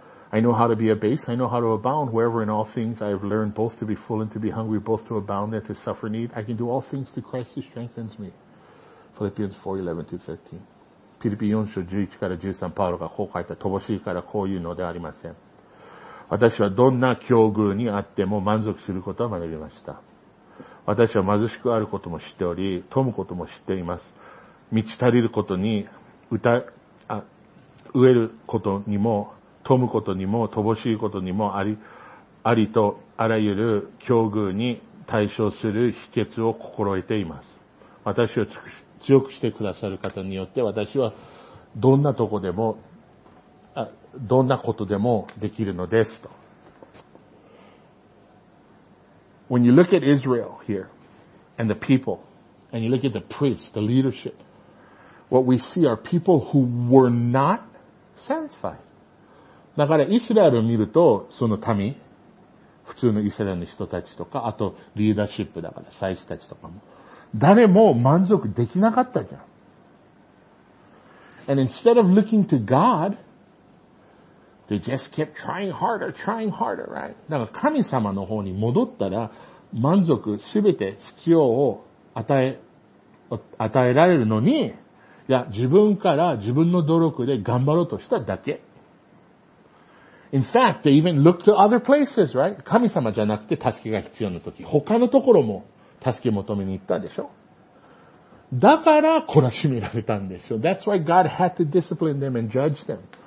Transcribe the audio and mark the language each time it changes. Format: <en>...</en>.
<en>I know how to be abased, I know how to abound, wherever in all things I have learned both to be full and to be hungry, both to abound and to suffer need. I can do all things through Christ who strengthens me. Philippians 4:11-13.</en> <ja>ピリピ4章11から13、パウロがこう書いた。乏しいからこういうのではありません。私はどんな境遇にあっても満足することを学びました。私は貧しくあることも知っており、富むことも知っています。満ち足りることに飢えることにも、富むことにも、乏しいことにもありとあらゆる境遇に対処する秘訣を心得ています。私を強くしてくださる方によって、私はどんなとこでも、どんなことでもできるのですと。</ja> <en>When you look at Israel here, and the people, and you look at the priests, the leadership, what we see are people who were not satisfied.</en> <ja>だから、イスラエルを見ると、その民、普通のイスラエルの人たちとか、あと、リーダーシップだから、祭司たちとかも、誰も満足できなかったじゃん。</ja> <en>And instead of looking to God,They just kept trying harder, right?</en> <ja>だから神様の方に戻ったら満足すべて必要を与えられるのに、いや、自分から自分の努力で頑張ろうとしただけ。</ja> <en>In fact, they even looked to other places, right?</en> <ja>神様じゃなくて助けが必要な時、他のところも助け求めに行ったでしょ。だから懲らしめられたんでしょ。</ja> <en>That's why God had to discipline them and judge them.</en>